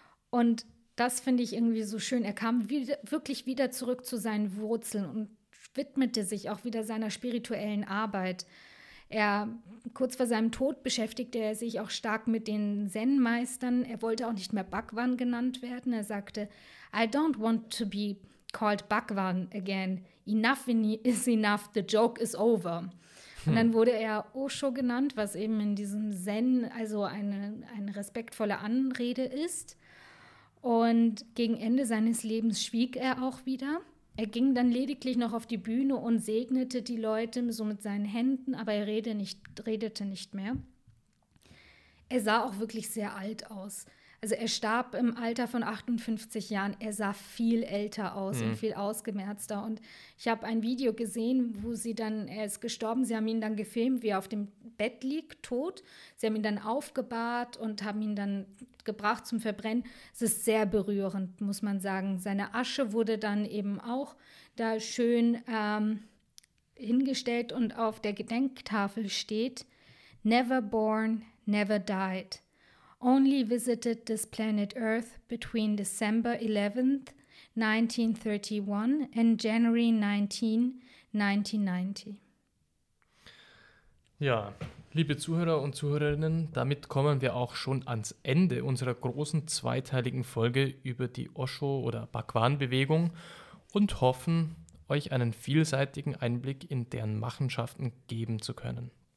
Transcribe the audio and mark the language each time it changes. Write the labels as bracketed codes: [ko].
[de] Und das finde ich irgendwie so schön. Er kam wirklich wieder zurück zu seinen Wurzeln und widmete sich auch wieder seiner spirituellen Arbeit. Kurz vor seinem Tod beschäftigte er sich auch stark mit den Zen-Meistern. Er wollte auch nicht mehr Bhagwan genannt werden. Er sagte, [en] I don't want to be called Bhagwan again. Enough is enough. The joke is over. [de] Und dann wurde er Osho genannt, was eben in diesem Zen also eine respektvolle Anrede ist. Und gegen Ende seines Lebens schwieg er auch wieder. Er ging dann lediglich noch auf die Bühne und segnete die Leute so mit seinen Händen, aber er redete nicht mehr. Er sah auch wirklich sehr alt aus. Also er starb im Alter von 58 Jahren. Er sah viel älter aus und viel ausgemerzter. Und ich habe ein Video gesehen, wo er ist gestorben. Sie haben ihn dann gefilmt, wie er auf dem Bett liegt, tot. Sie haben ihn dann aufgebahrt und haben ihn dann gebracht zum Verbrennen. Es ist sehr berührend, muss man sagen. Seine Asche wurde dann eben auch da schön hingestellt und auf der Gedenktafel steht, [en] never born, never died. Only visited this planet Earth between December 11th, 1931 and January 19, 1990. [de] Ja, liebe Zuhörer und Zuhörerinnen, damit kommen wir auch schon ans Ende unserer großen zweiteiligen Folge über die Osho- oder Bhagwan-Bewegung und hoffen, euch einen vielseitigen Einblick in deren Machenschaften geben zu können.